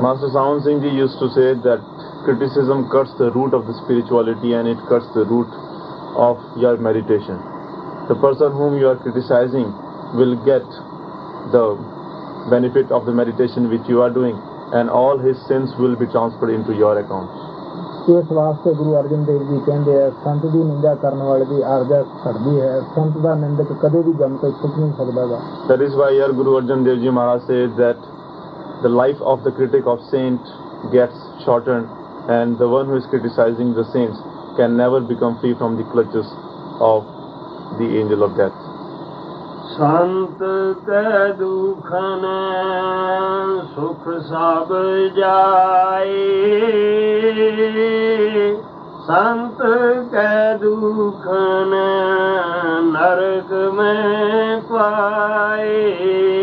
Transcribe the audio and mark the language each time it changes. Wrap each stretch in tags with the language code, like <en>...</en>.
<en>Master Sawan Singh ji used to say that criticism cuts the root of the spirituality and it cuts the root of your meditation the person whom you are criticising will get the benefit of the meditation which you are doing and all his sins will be transferred into your account.</en> <pa>ਇਸ ਵਾਸਤੇ ਗੁਰੂ ਅਰਜਨ ਦੇਵ ਜੀ ਕਹਿੰਦੇ ਆ ਸੰਤ ਦੀ ਨਿੰਦਾ ਕਰਨ ਵਾਲੇ ਦੀ ਅਰਜ਼ ਸੜਦੀ ਹੈ ਸੰਤ ਦਾ ਨਿੰਦਕ ਕਦੇ ਵੀ ਜੰਮ ਕੇ ਸੁੱਖ ਨਹੀਂ ਸਕਦਾਗਾ.</pa> <en>That is why our Guru Arjan Dev Ji Maharaj said that the life of the critic of saint gets shortened and the one who is criticizing the saints can never become free from the clutches of the angel of death.</en> <pa>ਸੰਤ ਕੈ ਦੁਖ ਨੈ ਸੁਖ ਸਭ ਜਾਏ ਸੰਤ ਕੈ ਦੁਖ ਨੈ ਨਰਕ ਮੈਂ ਪਾਏ</pa>